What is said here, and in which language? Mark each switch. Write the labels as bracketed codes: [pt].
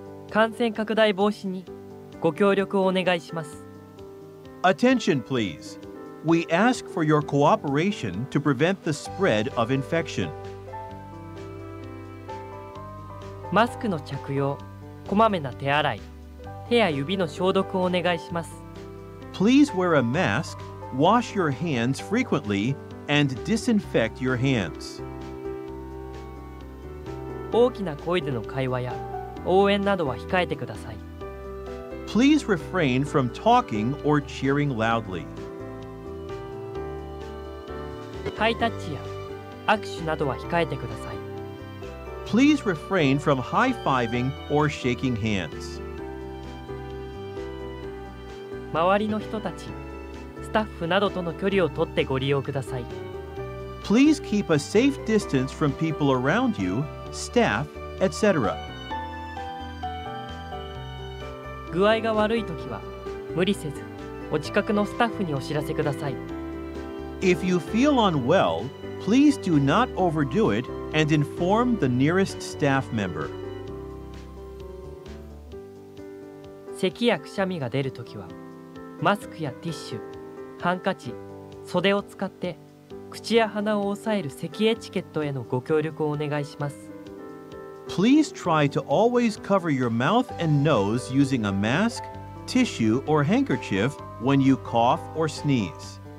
[ja] 感染拡大防止にご協力をお願いします。 [en] Attention please. We ask for your cooperation to prevent the spread of infection. [ja] マスクの着用、こまめな手洗い、手や指の消毒をお願いします。 [en] Please wear a mask, wash your hands frequently, and disinfect your hands. [ja] 大きな声での会話や応援などは控えてください。 [en] Please refrain from talking or cheering loudly. [ja] ハイタッチや握手などは控えてください。 [en] Please refrain from high-fiving or shaking hands. [ja] 周りの人たち、スタッフなどとの距離をとってご利用ください。 [en] Please keep a safe distance from people around you, staff, etc. [ja] 具合が悪いときは、無理せず、お近くのスタッフにお知らせください。 [en] If you feel unwell, please do not overdo it and inform the nearest staff member. [ja] 咳やくしゃみが出るときは、マスクやティッシュ、ハンカチ、袖を使って、口や鼻を押さえる咳エチケットへのご協力をお願いします。 [en] Please try to always cover your mouth and nose using a mask, tissue, or handkerchief when you cough or sneeze.